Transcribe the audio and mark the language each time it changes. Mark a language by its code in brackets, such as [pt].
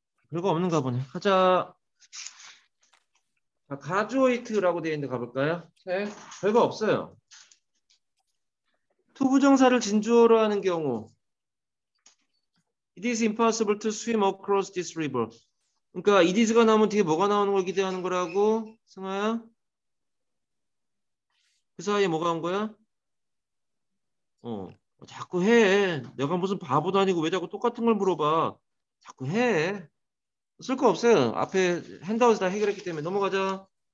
[ko] 별거 없는가 보네. 가자. 자, 가즈웨이트라고 되어 있는데 가볼까요? 네. 별거 없어요. 투부정사를 진주어로 하는 경우. [en] It is impossible to swim across this river. [ko] 그러니까 [en] it is [ko] 가 나오면 뒤에 뭐가 나오는 걸 기대하는 거라고? 승아야? 그 사이에 뭐가 온 거야? 자꾸 해. 내가 무슨 바보도 아니고 왜 자꾸 똑같은 걸 물어봐. 자꾸 해. 쓸거 없어요. 앞에 핸드아웃을 다 해결했기 때문에 넘어가자.